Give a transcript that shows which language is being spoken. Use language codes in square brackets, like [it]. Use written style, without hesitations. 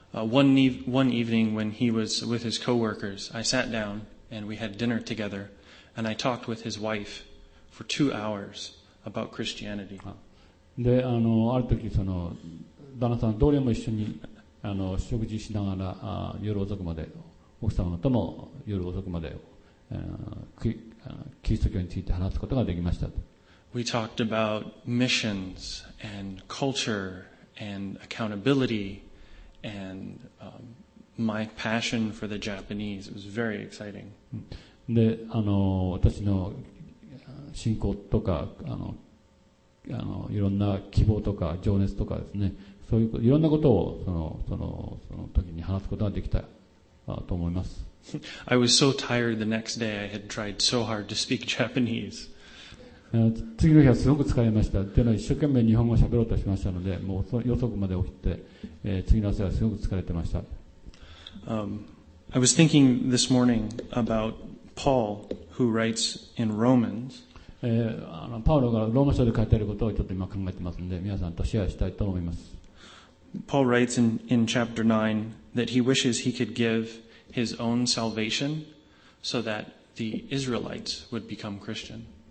[en] One evening when he was with his coworkers, I sat down and we had dinner together, and I talked with his wife for 2 hours about Christianity. [ja] で、ある時その旦那さん同僚も一緒に食事しながら夜遅くまで奥様とも夜遅くまでキリスト教について話すことができました。 [en] We talked about missions and culture and accountability. And my passion for the Japanese was very exciting. [ja] で、私の信仰とか、いろんな希望とか情熱とかですね、そういういろんなことをその時に話すことができたと思います。 [en] I was so tired the next day. I had tried so hard to speak Japanese. [ja] 次の日はすごく疲れました。というのは一生懸命日本語を喋ろうとしましたので、もう夜遅くまで起きて。次の朝はすごく疲れてました。 [en] I was thinking this morning about Paul who writes in Romans. [ja] パウロがローマ書で書いてあることをちょっと今考えてますので、皆さんとシェアしたいと思います。 [en] Paul writes in chapter 9 that he wishes he could give his own salvation so that the Israelites would become Christian.